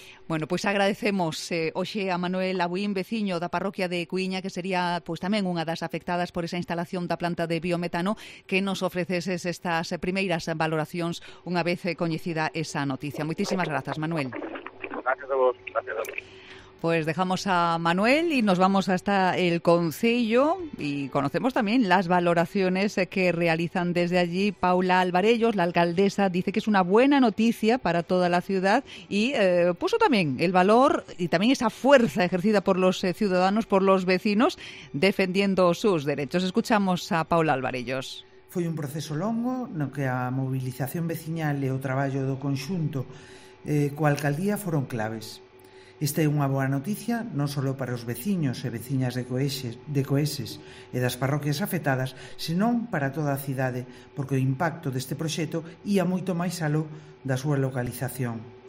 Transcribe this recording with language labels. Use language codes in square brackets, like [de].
[gl] Bueno, pois agradecemos hoxe a Manuel Abuín, veciño da parroquia de Cuíña, que sería pois tamén unha das afectadas por esa instalación da planta de biometano, que nos ofreceses estas primeiras valoracións unha vez coñecida esa noticia. Moitísimas grazas, Manuel. [es] Gracias a vos. Pois dejamos a Manuel e nos vamos hasta el concello e conocemos tamén las valoraciones que realizan desde allí Paula Alvarellos, la alcaldesa, dice que es una buena noticia para toda la ciudad y puso tamén el valor y tamén esa fuerza ejercida por los ciudadanos, por los vecinos, defendiendo sus derechos. Escuchamos a Paula Alvarellos. [gl] Foi un proceso longo no que a movilización veciñal e o traballo do conxunto coa alcaldía foron claves. Esta é unha boa noticia non só para os veciños e veciñas de Coeses e das parroquias afectadas, senón para toda a cidade, porque o impacto deste proxecto ía moito máis aló da súa localización.